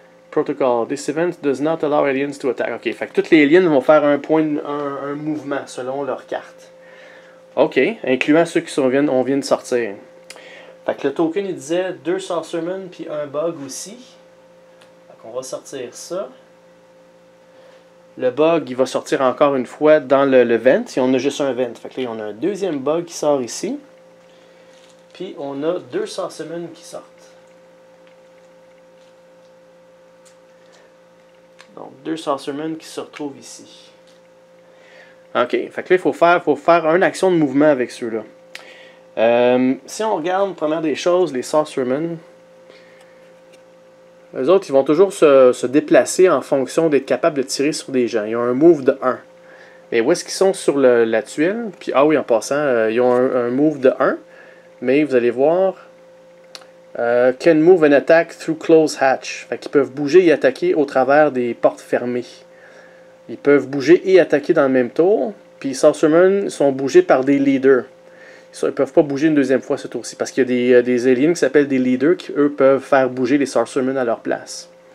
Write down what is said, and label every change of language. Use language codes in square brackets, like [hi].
[en] Protocol, this event does not allow aliens to attack. [fr] OK, fait que toutes les aliens vont faire un mouvement selon leur carte. OK, incluant ceux qui on vient de sortir. Fait que le token, il disait deux Saucermen puis un bug aussi. Fait qu'on va sortir ça. Le bug, il va sortir encore une fois dans le vent. Si on a juste un vent. Fait que là, on a un deuxième bug qui sort ici. Puis, on a deux Saucermen qui sortent. Donc, deux Saucermen qui se retrouvent ici. OK. Fait que là, il faut faire une action de mouvement avec ceux-là. Si on regarde, première des choses, les Saucermen... Eux autres, ils vont toujours se déplacer en fonction d'être capables de tirer sur des gens. Ils ont un move de 1. Mais où est-ce qu'ils sont sur la tuile? Puis, ah oui, en passant, ils ont un move de 1. Mais vous allez voir. [en] Can move and attack through closed hatch. [fr] Fait qu'ils peuvent bouger et attaquer au travers des portes fermées. Ils peuvent bouger et attaquer dans le même tour. Puis, Saucermen sont bougés par des leaders. Ils ne peuvent pas bouger une deuxième fois ce tour-ci, parce qu'il y a des aliens qui s'appellent des leaders qui, eux, peuvent faire bouger les Saucermen à leur place.